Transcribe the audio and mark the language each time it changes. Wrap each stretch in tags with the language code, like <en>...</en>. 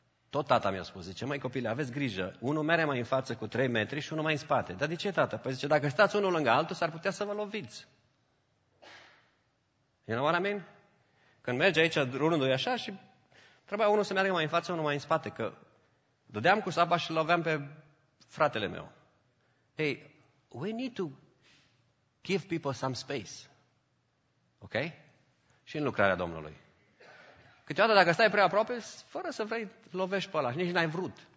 <ro>Tot tata mi-a spus, zice, măi copile, aveți grijă, unul merge mai în față cu 3 metri și unul mai în spate. Dar de ce, tata? Păi zice, dacă stați unul lângă altul, s-ar putea să vă loviți. You know what I mean? Când merge aici, rândul e așa și trebuia unul să meargă mai în față, unul mai în spate, că dădeam cu saba și loveam pe fratele meu.</ro> <en>Hey, we need to give people some space. Ok?</en> <ro>Și în lucrarea Domnului. Câteodată dacă stai prea aproape, fără să vrei, lovești pe ăla și nici n-ai vrut.</ro>